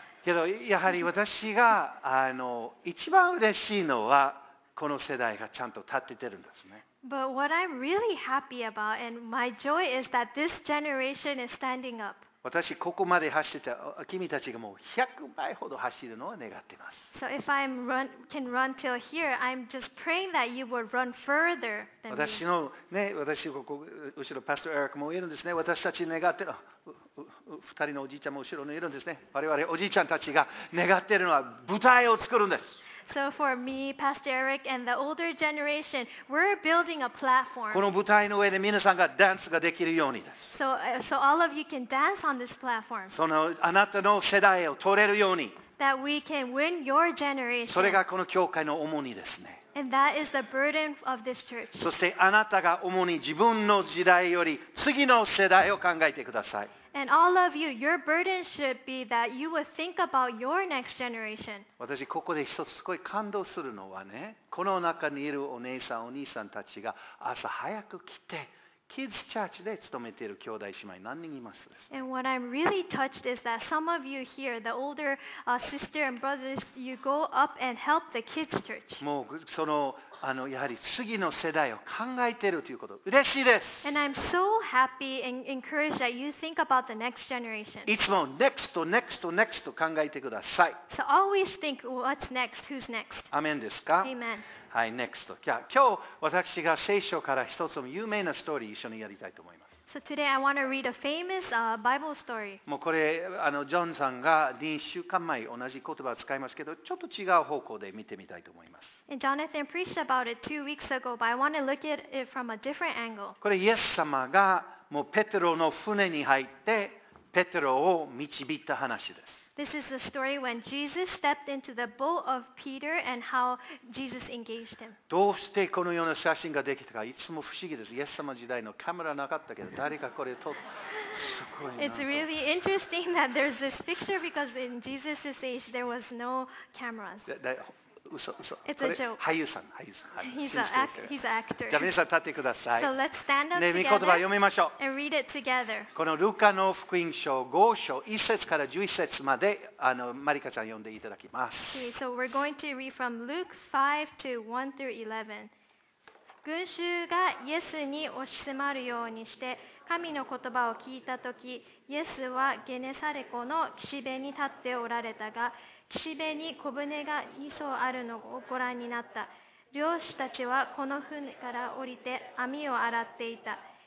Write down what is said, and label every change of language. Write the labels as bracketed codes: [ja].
[ja] けどやはり私が一番嬉しいのは。この世代がちゃんと立っててるんですね。 [en] But what I'm really happy about and my joy is that this generation is standing up. [ja] 私ここまで走ってた君たちがもう100倍ほど走るのを願っています。 [en] So if I can run till here, I'm just praying that you would run further than me. [ja] 私のね、私ここ後ろパスターエリックもいるんですね。私たち願ってる。二人のおじいちゃんも後ろにいるんですね。我々おじいちゃんたちが願ってるのは舞台を作るんです。 [en] So for me, Pastor Eric, and the older generation, we're building a platform. [ja] この舞台の上で皆さんがダンスができるようにです。 [en] So all of you can dance on this platform. [ja] そのあなたの世代を取れるように。 [en] That we can win your generation. [ja] それがこの教会の主にですね。 [en] And that is the burden of this church. [ja] そしてあなたが主に自分の時代より次の世代を考えてください。 [en] And all of you, your burden should be that you would think about your next generation. [ja] 私ここで一つすごい感動するのはね、この中にいるお姉さんお兄さんたちが朝早く来て、キッズチャーチで勤めている兄弟姉妹何人いますです。 [en] And what I'm really touched is that some of you here, the older sister and brothers, you go up and help the kids church. [ja] もうその、やはり次の世代を考えているということ、嬉しいです。 [en] And I'm so happy and encouraged that you think about the next generation. [ja] いつも [en] next, next, next [ja] と考えてください。 [en] So always think what's next, who's next. [ja] アメンですか？ [en] Amen. [ja] はい、next。じゃあ今日私が聖書から一つの有名なストーリー一緒にやりたいと思います。 [en] So today I want to read a famous Bible story. [ja] もうこれジョンさんが2週間前同じ言葉を使いますけど、ちょっと違う方向で見てみたいと思います。 [en] And Jonathan preached about it 2 weeks ago, but I want to look at it from a different angle. [ja] これイエス様がもうペテロの船に入ってペテロを導いた話です。 [en] This is the story when Jesus stepped into the boat of Peter and how Jesus engaged him. [ja] どうしてこのような写真ができたかいつも不思議です。イエス様時代のカメラなかったけど誰かこれ撮った [en] It's really interesting that there's this picture because in Jesus' age there was no cameras. [ja] 嘘。 [en] It's a joke. [ja] 俳優さん。 [en] He's an actor. [ja] じゃあ皆さん立ってください。 [en] So let's stand up together. [ja] 見言葉読みましょう。 [en] And read it together. [ja] このルカの福音書5章1節から11節まで、マリカちゃん読んでいただきます。 [en] Okay, so we're going to read from Luke 5 to 1 through 11. [ja] 群衆がイエスに押し迫るようにして、神の言葉を聞いたとき、イエスはゲネサレ湖の岸辺に立っておられたが、岸辺に小舟が2艘あるのをご覧になった。漁師たちはこの船から降りて網を洗っていた。